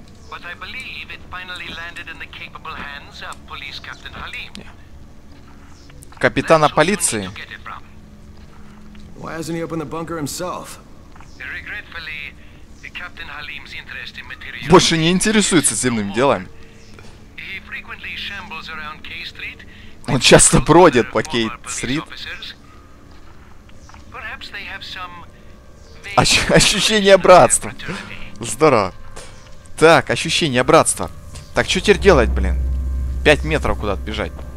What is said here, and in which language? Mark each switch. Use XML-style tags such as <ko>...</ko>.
<en>But I believe it finally landed in the capable hands of police captain Halim.</en> <ru>Капитана полиции.</ru> <en>Why hasn't he opened the bunker himself? Regretfully, captain Halim's interest in material.</en> <ru>Больше не интересуется земными делами.</ru> <en>He frequently shambles around K Street.</en> <ru>Он часто бродит по Кейт-стрит.</ru> <en>Perhaps they have some</en> <ru>ощущение братства. Здорово. Так, ощущение братства. Так, что теперь делать, блин? 5 метров куда-то бежать.</ru>